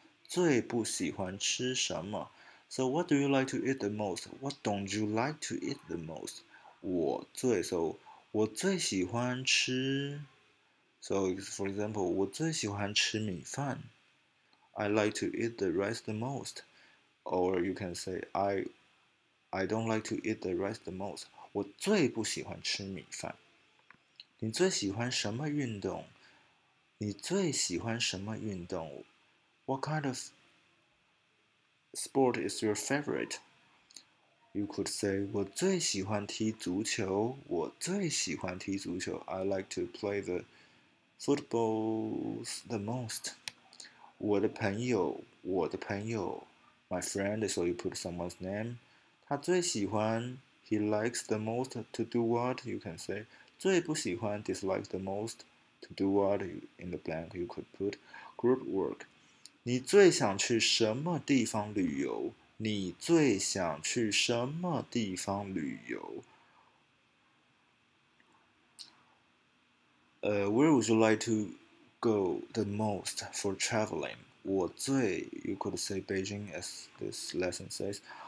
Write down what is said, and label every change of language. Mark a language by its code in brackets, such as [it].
[zh] 你最喜欢吃什么?最不喜欢吃什么? [en] So, what do you like to eat the most? What don't you like to eat the most? [zh] 我最喜欢吃 [en] So for example, [zh] 我最喜欢吃米饭. [en] I like to eat the rice the most. Or you can say I don't like to eat the rice the most. [zh] 我最不喜欢吃米饭.你最喜欢什么运动? [en] What kind of sport is your favorite? You could say, [zh] 我最喜欢踢足球, [en] I like to play the football the most. [zh] 我的朋友, [en] my friend, so you put someone's name. [zh] 他最喜欢, [en] he likes the most to do what? You can say, [zh] 最不喜欢, [en] dislike the most to do what? In the blank, you could put group work. 你最想去什么地方旅游?你最想去什么地方旅游? Where would you like to go the most for traveling? [zh] 我最, [en] you could say Beijing as this lesson says.